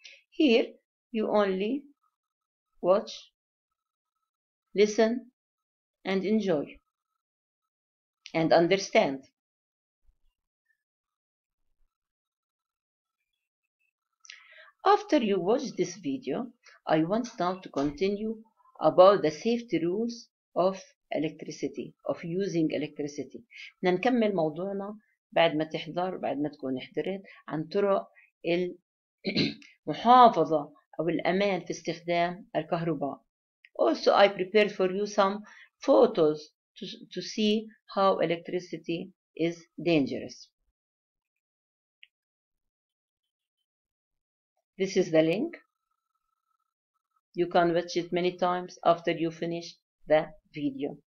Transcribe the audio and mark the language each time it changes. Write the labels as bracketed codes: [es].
[en] Here you only watch, listen and enjoy and understand. After you watch this video, I want now to continue about the safety rules of electricity, of using electricity. [ar] نكمل موضوعنا بعد ما تحضر، بعد ما تكون حضرت، عن طرق المحافظة أو الأمان في استخدام الكهرباء. [en] Also, I prepared for you some photos to see how electricity is dangerous. This is the link. You can watch it many times after you finish the video.